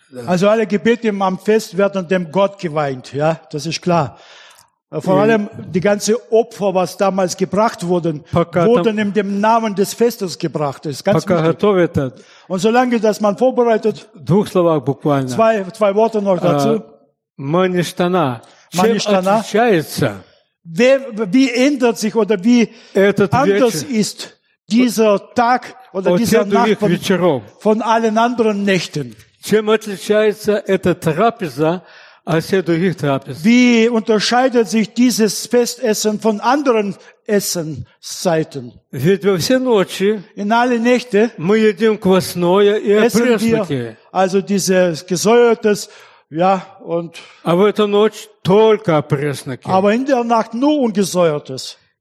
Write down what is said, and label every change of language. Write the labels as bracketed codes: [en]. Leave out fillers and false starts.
[ru] Да. [de] Also alle Gebete am Fest werden dem Gott geweiht, ja, das ist klar. Vor allem die ganze Opfer, was damals gebracht wurden, wurden in dem Namen des Festes gebracht. Das ist ganz wichtig. Und solange das man vorbereitet, [ru] двух словах буквально. [de] Zwei Worte noch dazu. [ru] Маништана. Маништана. Чем отличается? [de] Wie ändert sich oder wie anders ist dieser Tag oder dieser Nacht von allen anderen Nächten? [ru] Чем отличается эта трапеза? [de] Wie unterscheidet sich dieses Festessen von anderen Essenszeiten? In alle Nächte essen wir also dieses gesäuertes, ja, und aber in der Nacht nur ungesäuertes.